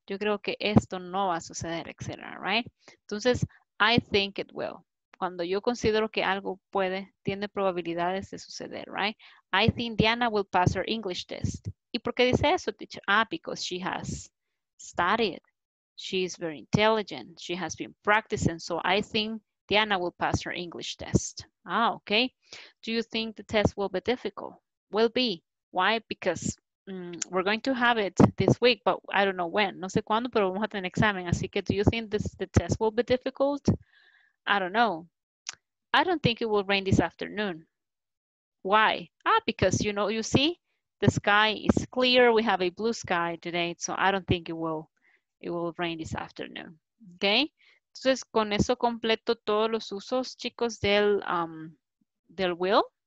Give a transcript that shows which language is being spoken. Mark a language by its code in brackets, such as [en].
[es] Yo creo que esto no va a suceder, etc., right? Entonces, [en] I think it will. [es] Cuando yo considero que algo puede, tiene probabilidades de suceder, right? [en] I think Diana will pass her English test. [es] ¿Y por qué dice eso, teacher? Ah, [en] because she has studied. She is very intelligent. She has been practicing. So I think Diana will pass her English test. Ah, okay. Do you think the test will be difficult? Will be. Why? Because we're going to have it this week, but I don't know when. [es] No sé cuándo, pero vamos a tener examen. Así que, [en] do you think the test will be difficult? I don't know. I don't think it will rain this afternoon. Why? Ah, because, you know, you see, the sky is clear. We have a blue sky today, so I don't think it will rain this afternoon. Okay? [es] Entonces, con eso completo todos los usos, chicos, del will.